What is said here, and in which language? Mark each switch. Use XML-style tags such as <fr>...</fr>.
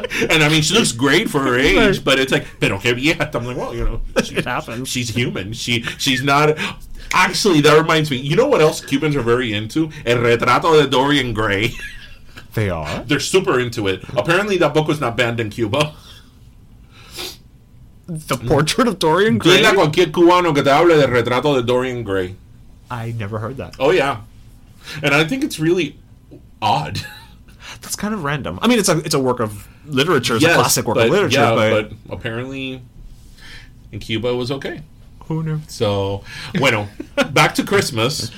<en>And I mean, she looks great for her age, but it's like,</en> <es>pero que vieja.</es> <en>I'm like, well, you know, it happens. She's human. She's not. Actually, that reminds me. You know what else Cubans are very into? El Retrato de Dorian Gray. They are. They're super into it. Apparently, that book was not banned in Cuba. The Portrait of Dorian Gray.</en> <es>Dile a cualquier cubano que te hable del Retrato de Dorian Gray.</es> <en>I never heard that. Oh yeah, and I think it's really odd. That's kind of random. I mean, it's a work of literature. It's a classic work of literature. Yeah, but apparently in Cuba it was okay. Who knew? So, bueno, back to Christmas.</en>